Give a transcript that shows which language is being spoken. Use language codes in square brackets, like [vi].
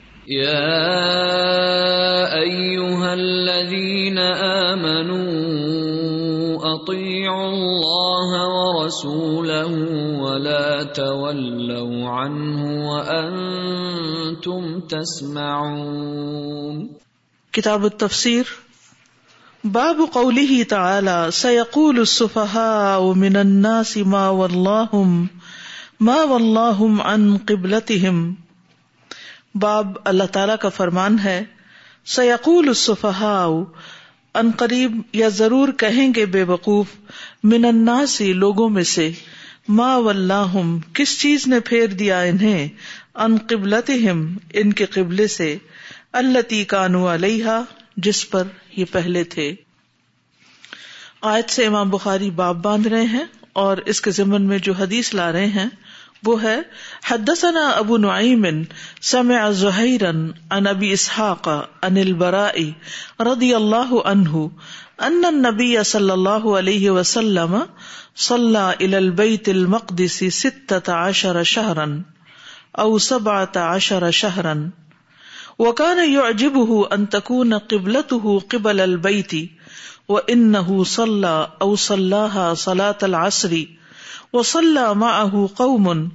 [ar] يا أيها الذين آمنوا أطيعوا الله ورسوله ولا تولوا عنه وأنتم تسمعون. كتاب التفسير باب قوله تعالى سيقول السفهاء من الناس ما واللهم عن قبلتهم. [ur] باب اللہ تعالیٰ کا فرمان ہے [ar] سیقول السفہاء [ur] ان قریب یا ضرور کہیں گے بے وقوف [ar] من الناس [ur] لوگوں میں سے [ar] ما واللہم [ur] کس چیز نے پھیر دیا انہیں [ar] ان قبلتہم [ur] ان کے قبلے سے [ar] اللتی کانوا علیہا [ur] جس پر یہ پہلے تھے. آیت سے امام بخاری باب باندھ رہے ہیں اور اس کے ضمن میں جو حدیث لا رہے ہیں وہ ہے [ar] حدثنا ابو نعیم سمع زہیرا عن ابی اسحاق عن البراء رضی اللہ عنہ ان النبی صلی اللہ علیہ وسلم صلى الى البیت المقدس 16 شهرا او 17 شهرا وكان يعجبه ان تكون قبلته قبل البیت وانه صلى او صلاها صلاة العصر وصلى معه قوم